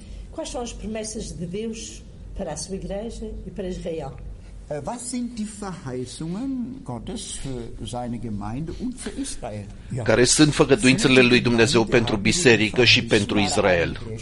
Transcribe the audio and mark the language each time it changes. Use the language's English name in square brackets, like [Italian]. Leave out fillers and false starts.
[Portuguese] Quais são as promessas de Deus para a sua igreja e para Israel? [German] Was sind die Verheißungen Gottes für seine Gemeinde und für Israel? [Romanian] Care sunt făgăduințele lui Dumnezeu pentru biserică și pentru Israel?